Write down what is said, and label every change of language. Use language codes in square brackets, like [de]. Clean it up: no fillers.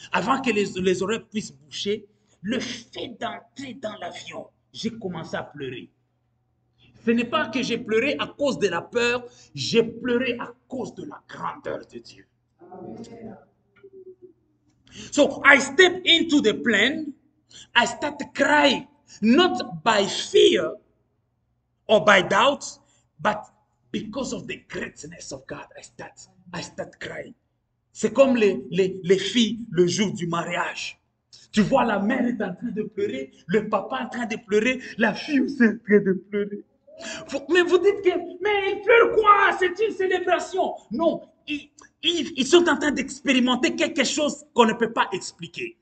[fr] Avant que les oreilles puissent boucher, le fait d'entrer dans l'avion, j'ai commencé à pleurer. Ce n'est pas que j'ai pleuré à cause de la peur, j'ai pleuré à cause de la grandeur de Dieu. [en] So, I step into the plane. I start to cry, not by fear or by doubt, but because of the greatness of God. I start crying. [fr] C'est comme les filles le jour du mariage. Tu vois, la mère est en train de pleurer, le papa est en train de pleurer, la fille aussi est en train de pleurer. Mais vous dites que, mais ils pleurent quoi? C'est une célébration. Non, ils sont en train d'expérimenter quelque chose qu'on ne peut pas expliquer.